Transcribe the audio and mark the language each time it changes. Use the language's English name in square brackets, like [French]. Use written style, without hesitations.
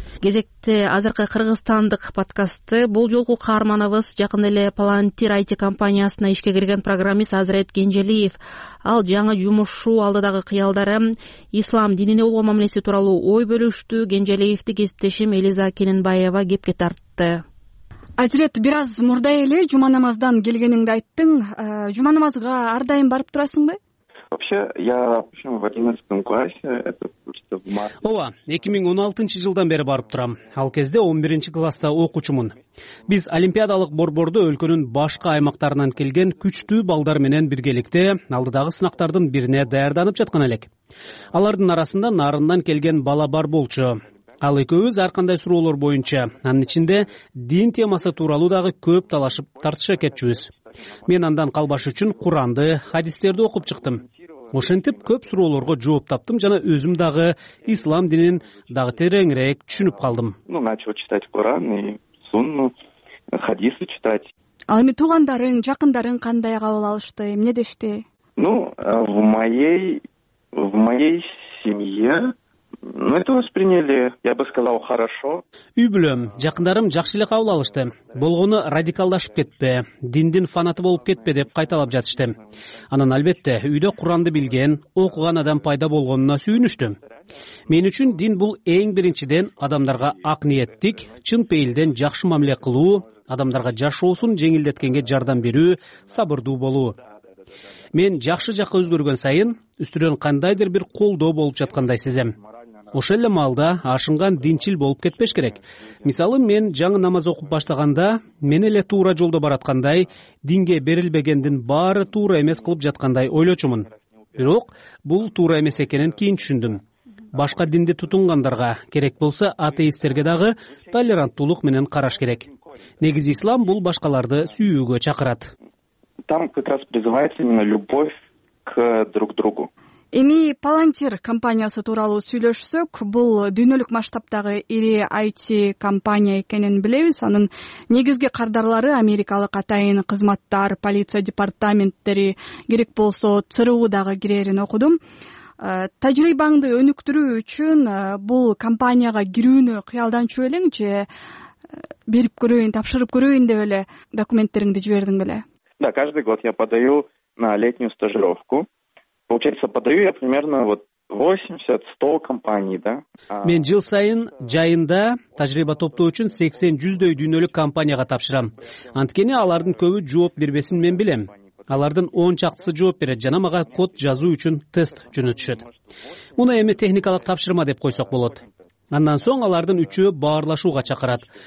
[Kyrgyz] Кезекте азыркы кыргызстандык подкастты бул жолку каарманыбыз жакын эле Palantir IT компаниясына ишке кирген программист Азырет Кенжелиев. Ал жаңы жумушу алдыдагы кыялдары, ислам динине болгон мамилеси тууралуу ой бөлүштү. Кенжелиевди кесиптешим Элиза Кененбаева кепке тартты. Азирет, бираз мурда эле жума намаздан келгениңди айттың. Жума намазга ардайым барып турасыңбы? [Russian] Вообще, я общем в 11 классе, это просто в марте. [Kyrgyz] Ова, 2016 жылдан бери барып турам. Ал кезде 11 класста окуучумун. Биз олимпиадалык борборду өлкөнүн башка аймактарынан келген күчтүү балдар менен биргеликте алдыдагы сынактардын бирине даярданып жаткан элек. Алардын арасында Нарындан келген бала бар болчу. Ал экөөбүз ар кандай суроолор боюнча, анын ичинде дин темасы тууралуу дагы көп талашып тартыша кетчүбүз. Мен андан калбаш үчүн Куранды, хадистерди окуп чыктым. Ошентип көп суроолорго жооп таптым жана өзүм дагы ислам динин дагы тереңирээк түшүнүп калдым. [Russian] Ну, начал читать Куран и Сунну, хадисы читать. [Kyrgyz] Ал эми туугандарың, жакындарың кандай кабыл алышты, эмне дешти? [Russian] Ну, в моей семье. Ну, это восприняли, я бы сказал, хорошо. [Kyrgyz] Үй бүлөм, жакындарым жакшы эле кабыл алышты. Болгону радикалдашып кетпе, диндин фанаты болуп кетпе деп кайталап жатышты. Анан албетте үйдө Куранды билген, окуган адам пайда болгонуна сүйүнүштүм. Мен үчүн дин бул эң биринчиден адамдарга ак ниеттик, чын пейилден жакшы мамиле кылуу, адамдарга жашоосун жеңилдеткенге жардам берүү, сабырдуу болуу. Мен жакшы жакка өзгөргөн сайын үстүрөн кандайдыр бир колдоо болуп жаткандай сезем. Ошол эле маалда ашынган динчил болуп кетпеш керек. Мисалы, мен жаңы намаз окуп баштаганда мен эле туура жолдо бараткандай, динге берилбегендин баары туура эмес кылып жаткандай ойлочумун. Бирок бул туура эмес экенин кийин түшүндүм. Башка динди тутунгандарга, керек болсо атеисттерге дагы толеранттуулук менен караш керек. Негизи ислам бул башкаларды сүйүүгө чакырат. [Russian] Там как раз призывается именно любовь к друг другу. [Kyrgyz] Эми Palantir компаниясы тууралуу сүйлөшсөк, бул дүйнөлүк масштабтагы ири IT компания экенин билебиз. Анын негизги кардарлары америкалык атайын кызматтар, полиция департаменттери, керек болсо ЦРУ дагы кирээрин окудум. Тажрыйбаңды өнүктүрүү үчүн бул компанияга кирүүнү кыялданчу элең же берип көрөйүн, тапшырып көрөйүн деп эле документтериңди жибердиң беле? [Russian] Да, каждый год я подаю на летнюю стажировку. Получается, подаю я примерно вот 80-100 компаний, да? [Kyrgyz] Мен жыл сайын жайында тажрыйба топтоо үчүн 80-100 дүйнөлүк компанияга тапшырам. Анткени алардын көбү жооп бербесин мен билем. Алардын 10 чактысы жооп берет жана мага код жазуу үчүн тест жөнөтүшөт. Муну эми техникалык тапшырма деп койсок болот. Андан соң алардын үчөө баарлашууга чакырат.